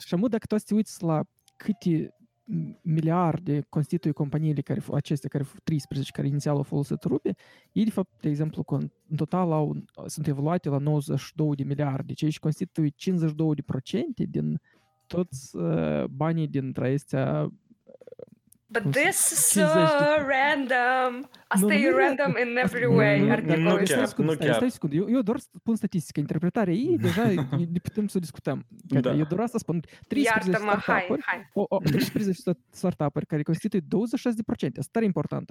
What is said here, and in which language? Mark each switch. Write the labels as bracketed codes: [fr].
[ro] Și amu, dacă toți te uiți la câte miliarde constituie companiile care, acestea, care 13, care inițial au folosit Ruby, ei, de fapt, de exemplu, în total sunt evaluate la 92 de miliarde, ceea ce constituie 52% din toți banii din traiestea. [en] But this is so random. [ro] Asta e random [en] in every way. [ro] Stai secund, eu doar spun statistică, interpretarea ei, deja putem să discutăm. Eu doar asta spun. 13 startup-uri care constituie 26%. Asta e important.